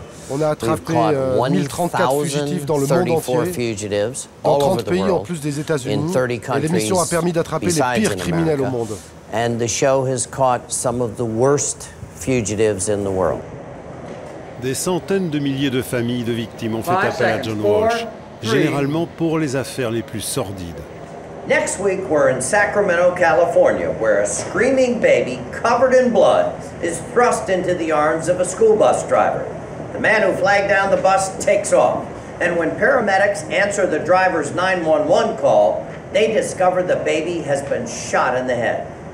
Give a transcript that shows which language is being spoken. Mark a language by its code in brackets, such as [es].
[fr] On a attrapé 1034 fugitifs dans le monde entier, dans 30 pays en plus des États-Unis. Et l'émission a permis d'attraper les pires criminels au monde. [en] And the show has caught some of the worst fugitives in the world. [fr] Des centaines de milliers de familles de victimes ont fait appel à John Walsh, généralement pour les affaires les plus sordides. [en] Next week we're in Sacramento, California, where a screaming baby covered in blood is thrust into the arms of a school bus driver. The man who flagged down the bus takes off, and when paramedics answer the driver's 911 call, they discover the baby has been shot in the head.